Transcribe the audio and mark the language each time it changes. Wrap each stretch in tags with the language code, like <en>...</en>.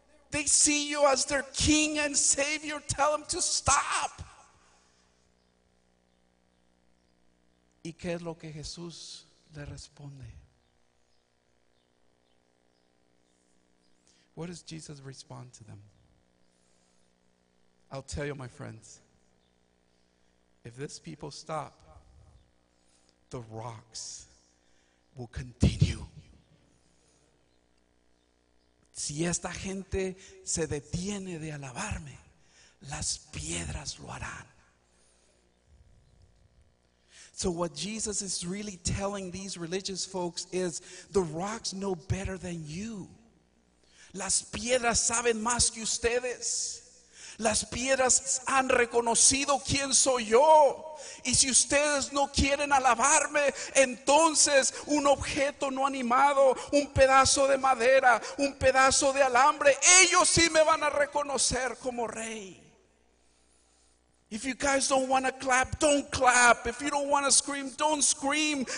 <en>They see you as their king and savior. Tell them to stop.</en> <es>¿Y qué es lo que Jesús le responde?</es> <en>What does Jesus respond to them? I'll tell you, my friends. If this people stop, the rocks will continue.</en> <es>Si esta gente se detiene de alabarme, las piedras lo harán.</es> <en>So what Jesus is really telling these religious folks is, the rocks know better than you.</en> <es>Las piedras saben más que ustedes. Las piedras han reconocido quién soy yo. Y si ustedes no quieren alabarme, entonces un objeto no animado, un pedazo de madera, un pedazo de alambre, ellos sí me van a reconocer como rey.</es> <en>If you guys don't want to clap, don't clap. If you don't want to scream, don't scream.</en>